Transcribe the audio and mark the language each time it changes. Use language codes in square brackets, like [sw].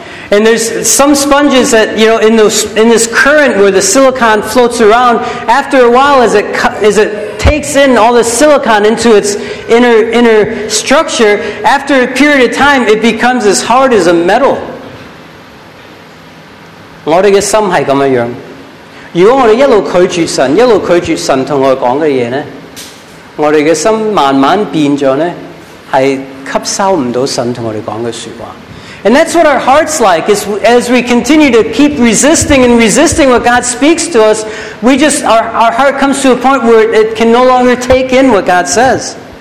[en] And there's some sponges that, you know, in this current where the silicon floats around, after a while, as it takes in all the silicon into its inner structure, after a period of time, it becomes as hard as a metal. [yue] 我哋嘅心系咁样，如果我哋一路拒绝神，一路拒绝神同我哋讲嘅嘢呢，我哋嘅心慢慢变咗呢，系吸收唔到神同我哋讲嘅说话。 [en] And that's what our heart's like. Is as we continue to keep resisting and resisting what God speaks to us, we just our heart comes to a point where it can no longer take in what God says.